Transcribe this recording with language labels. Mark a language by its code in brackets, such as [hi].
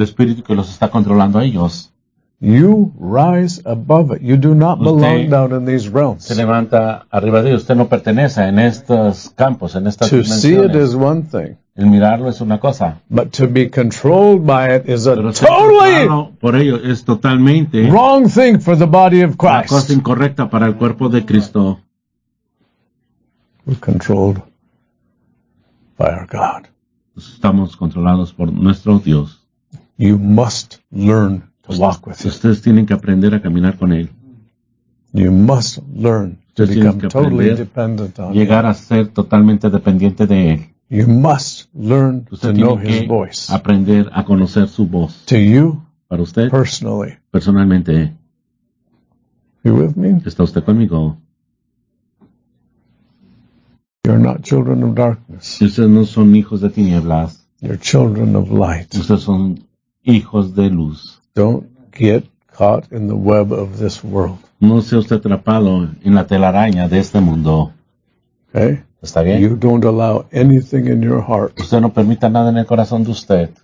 [es] El espíritu que los está controlando a ellos. [en] You rise above it. You do not belong down in these realms. [es] Se levanta arriba de ellos. Usted no pertenece en estos campos, en estas [en] to [es] dimensiones. [en] To see it is one thing. [es] El mirarlo es una cosa. [en] But to be controlled by it is a totally [es] por ello es totalmente [en] wrong thing for the body of Christ. [es] Una cosa incorrecta para el cuerpo de Cristo. [en] We're controlled by our God. [es] Estamos controlados por nuestro Dios. [en] You must learn walk with him. [es] Ustedes tienen que aprender a caminar con él. [en] You must learn to become totally dependent on him. [es] Llegar a ser totalmente dependiente de él. [en] You must learn [es] usted [en] to know his voice. [es] Aprender a conocer su voz. [en] To you, [es] para usted, [en] personally. [es] Personalmente. [en] You with me? [es] ¿Está usted conmigo? [en] You're not children of darkness. [es] Ustedes no son hijos de tinieblas. [en] You're children of light. [es] Ustedes son hijos de luz. [en] Don't get caught in the web of this world. [es] No se esté atrapado en la telaraña de este mundo. [en] Okay. [es] Está bien. [en] You don't allow anything in your heart. [es] Usted no permita nada en el corazón de usted.